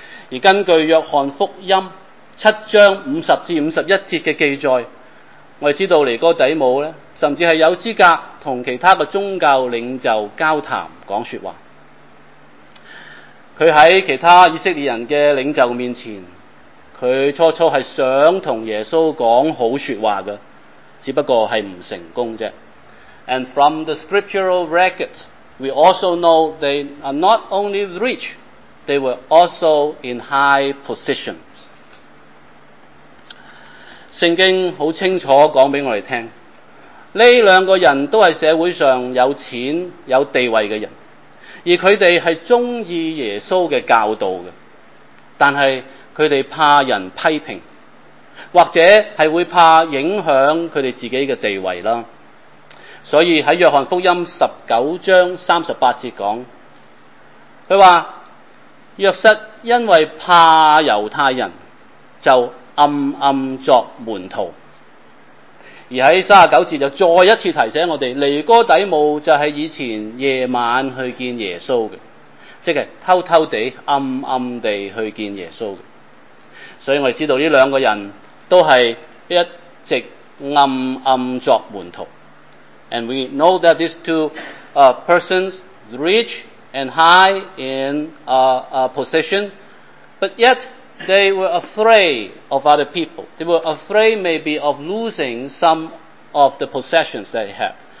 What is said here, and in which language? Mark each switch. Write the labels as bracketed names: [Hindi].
[Chinese] 而根据约翰福音7章50至51节的记载，我们知道尼哥底母甚至是有资格和其他的宗教领袖交谈讲说话，他在其他以色列人的领袖面前，他初初是想和耶稣讲好说话的，只不过是不成功的。 [English] And from the scriptural records, we also know they are not only rich, they were also in high positions. [Chinese] 圣经很清楚讲给我们听，这两个人都是社会上有钱有地位的人，而他们是喜欢耶稣的教导的，但是他们怕人批评，或者是会怕影响他们自己的地位。所以在约翰福音19章38节讲，他说约瑟因为怕犹太人就暗暗作门徒。而在39节就再一次提醒我们，尼哥底母就是以前夜晚去见耶稣的，即是偷偷地暗暗地去见耶稣的。所以我们知道这两个人都是一直暗暗作门徒。 [English] And we know that these two persons, rich and high in a position, but yet they were afraid of other people. They were afraid maybe of losing some of the possessions they have.